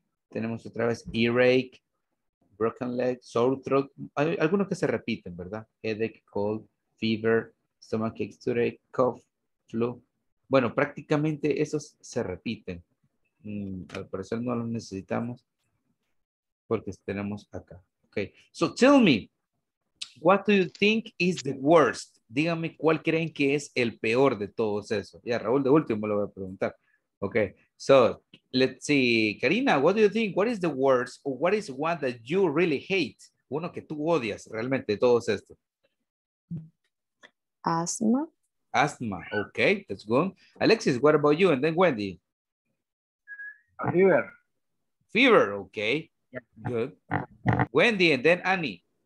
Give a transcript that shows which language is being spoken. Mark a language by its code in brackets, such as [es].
[es] Tenemos otra vez [en] earache, broken leg, sore throat, [es] hay algunos que se repiten, ¿verdad? [en] Headache, cold, fever, stomachache, toothache, cough, flu. [es] Bueno, prácticamente esos se repiten. Al parecer no los necesitamos porque tenemos acá. [en] Okay. So tell me, what do you think is the worst? [es] Díganme cuál creen que es el peor de todos esos. Ya, Raúl, de último lo voy a preguntar. [en] Okay. So let's see, Karina, what do you think? What is the worst? Or what is one that you really hate? [es] Uno que tú odias realmente de todos estos. [en] Asthma. Asthma, okay, that's good. Alexis, what about you? And then Wendy. Fever. Fever, okay, good. Wendy, and then Annie.